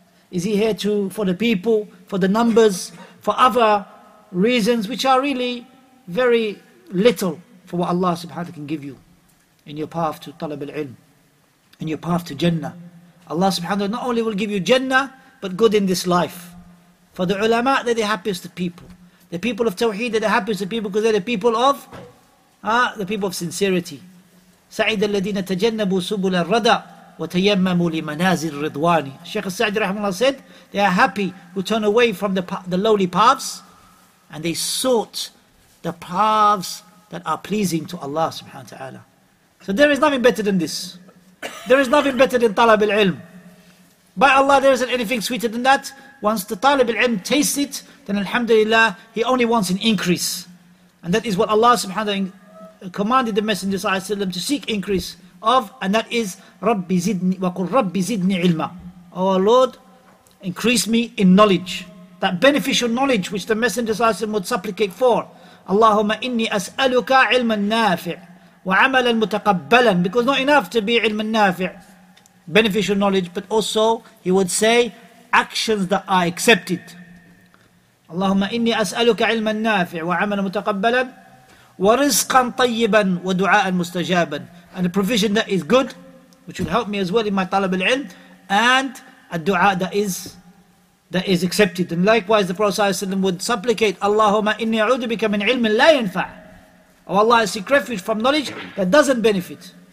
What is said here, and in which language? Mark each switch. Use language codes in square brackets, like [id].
[en] Is he here to for the people, for the numbers, for other reasons which are really very little for what Allah subhanahu wa ta'ala can give you in your path to talab al-ilm, in your path to Jannah. Allah subhanahu wa ta'ala not only will give you Jannah, but good in this life. For the ulama, they're the happiest people. The people of Tawheed, they're the happiest people because they're the people of the people of sincerity. [ar] سعيد الذين تجنبوا سبل الردى وتيمموا لمنازل رضواني. [en] Shaykh al-Sa'di rahimahullah said, they are happy who turn away from the lowly paths and they sought the paths that are pleasing to Allah subhanahu wa ta'ala. So there is nothing better than this. There is nothing better than talab al-ilm. By Allah, there isn't anything sweeter than that. Once the talab al-ilm tastes it, then alhamdulillah, he only wants an increase. And that is what Allah subhanahu wa ta'ala commanded the Messenger sallallahu alayhi wa sallam to seek increase of, and that is, [ar] رَبِّ زِدْنِي وَقُلْ رَبِّ زِدْنِي عِلْمًا. [en] Oh Lord, increase me in knowledge. That beneficial knowledge which the Messenger sallallahu alayhi wa sallam would supplicate for. [ar] اللهم إني أسألك علما نافع وعملا متقبلا. [en] Because not enough to be [ar] علما نافع, [en] beneficial knowledge, but also he would say actions that are accepted. [ar] اللهم إني أسألك علما نافع وعملا متقبلا ورزقا طيبا ودعاء مستجابا. [en] And a provision that is good, which will help me as well in my طلب العلم, and a dua that is accepted. And likewise, the Prophet ﷺ would supplicate, [ar] Allahumma inni a'udhu bika min ilmin la yanfa'. [en] Oh Allah, I seek refuge from knowledge that doesn't benefit.